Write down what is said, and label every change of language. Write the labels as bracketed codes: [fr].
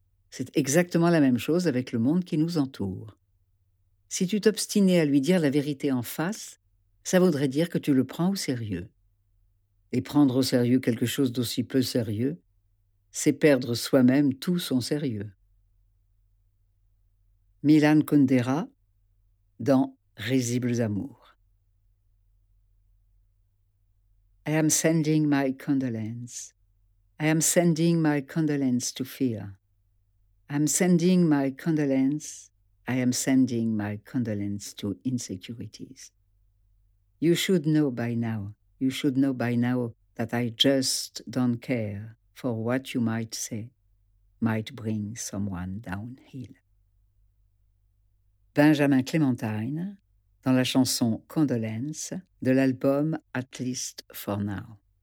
[fr] C'est exactement la même chose avec le monde qui nous entoure. Si tu t'obstinais à lui dire la vérité en face, ça voudrait dire que tu le prends au sérieux. Et prendre au sérieux quelque chose d'aussi peu sérieux, c'est perdre soi-même tout son sérieux. Milan Kundera, dans Risibles Amours. [en] I am sending my condolence. I am sending my condolence to fear. I am sending my condolence. I am sending my condolence to insecurities. You should know by now. You should know by now that I just don't care for what you might say might bring someone downhill. [fr] Benjamin Clementine, dans la chanson Condolence de l'album At Least For Now.